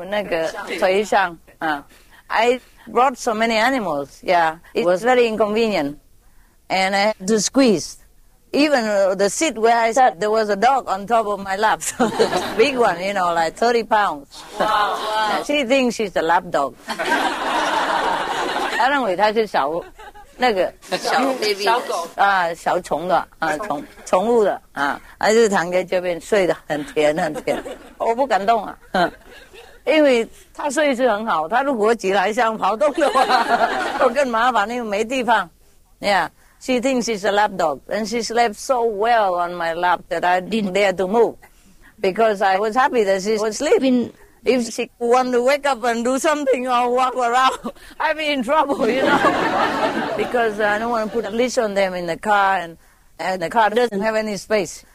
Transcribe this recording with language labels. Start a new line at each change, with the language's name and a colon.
Chinese: 哦，我告诉你了，带很多动物来是很复杂的了。不过我想到小孩子嘛，他们一定会喜欢看那些什么鸟啊、狗什么的，所以还是不方便，也是很尽量带来。我急得要死啊， 全车都是动物，我连我坐那个地方啊，也有一个狗睡在我的上那个腿上啊。
English: I brought so many animals, yeah. It was very inconvenient. And I had to squeeze. Even the seat where I sat, there was a dog on top of my lap. So big one, you know, like 30 pounds. Wow, wow. She thinks she's a lap dog. I don't know, that's a small...
Chinese: 那个小狗啊，小虫的啊，宠物的啊，还是躺在这边睡得很甜很甜，我不敢动啊，因为。他睡是很好，他如果起来像跑动的话，我更麻烦，因为没地方。
English: Yeah, she thinks she's a lap dog, and she slept so well on my lap that I didn't dare to move, because I was happy that she was sleeping. If she wanted to wake up and do something or walk around, I'd be in trouble, you know, because I don't want to put a leash on them in the car, and the car doesn't have any space.